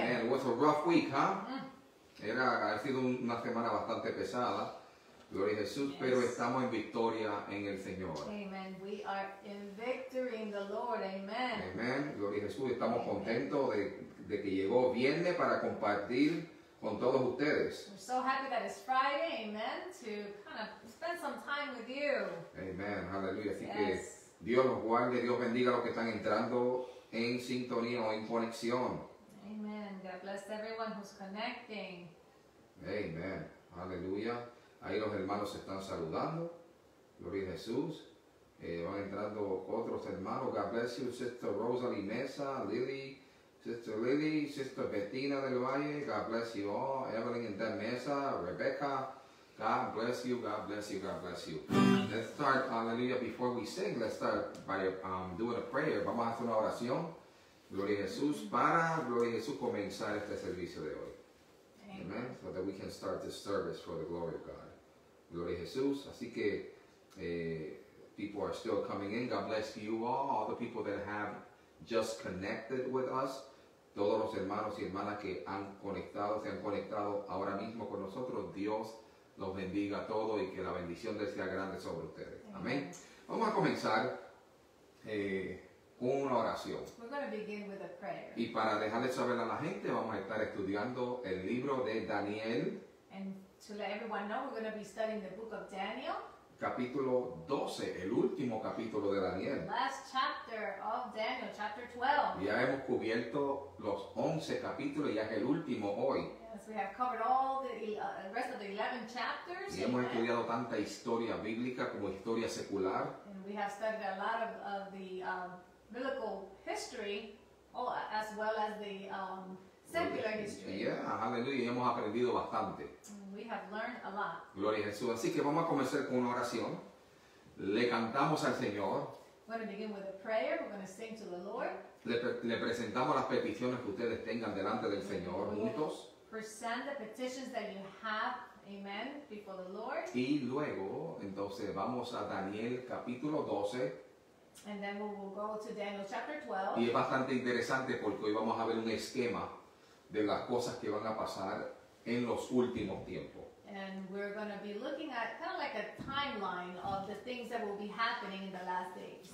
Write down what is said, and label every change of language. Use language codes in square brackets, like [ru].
[en] Amen, it was a rough week, huh? [es] Ha sido una semana bastante pesada, gloria a Jesús, [en] yes. [es] Pero estamos en victoria en el Señor. [en] Amen. We are in victory in the Lord. Amen. [es] Amen. Gloria a Jesús. Estamos Amen. Contentos de que llegó viernes para compartir con todos ustedes. [en] We're so happy that it's Friday. Amen. To kind of spend some time with you. [es] Amen. Aleluya. Así [en] yes. [es] que Dios los guarde, Dios bendiga a los que están entrando en sintonía o en conexión. [en] Amen. God bless everyone who's connecting. [es] Amen. Aleluya. Ahí los hermanos se están saludando. Gloria a Jesús. Van entrando otros hermanos. [en] God bless you, Sister Rosalie Mesa, Lily, Sister Bettina del Valle. God bless you all. Evelyn and Dan Mesa, Rebecca. God bless you, God bless you, God bless you. Let's start, aleluya, before we sing, let's start by doing a prayer. [es] Vamos a hacer una oración. Gloria a Jesús, para, gloria a Jesús, comenzar este servicio de hoy. Amen. Amen. [en] So that we can start this service for the glory of God. [es] Gloria a Jesús. Así que, [en] people are still coming in. God bless you all the people that have just connected with us. [es] Todos los hermanos y hermanas que han conectado, se han conectado ahora mismo con nosotros. Dios los bendiga a todos y que la bendición de sea grande sobre ustedes. Amen. Amén. Vamos a comenzar. Una oración. [en] We're going to begin with a prayer. [es] Y para dejarle saber a la gente, vamos a estar estudiando el libro de Daniel. [en] And to let everyone know, we're going to be studying the book of Daniel. [es] Capítulo 12, el último capítulo de Daniel. [en] The last chapter of Daniel, chapter 12. [es] Ya hemos cubierto los 11 capítulos, ya es el último hoy. [en] Yes, we have covered all the rest of the 11 chapters. [es] Y hemos estudiado tanta historia bíblica como historia secular. [en] And we have studied a lot of the biblical history, as well as the secular history. [es] Yeah, aleluya, y hemos aprendido bastante. [en] We have learned a lot. [es] Gloria a Jesús. Así que vamos a comenzar con una oración. Le cantamos al Señor. [en] We're going to begin with a prayer. We're going to sing to the Lord. [es] Le presentamos las peticiones que ustedes tengan delante del Señor juntos. [en] Present the petitions that you have, amen, before the Lord. [es] Y luego, entonces, vamos a Daniel capítulo 12. [en] And then we will go to Daniel chapter 12. [es] Y es bastante interesante porque hoy vamos a ver un esquema de las cosas que van a pasar en los últimos tiempos. [en] And we're going to be looking at kind of like a timeline of the things that will be happening in the last days.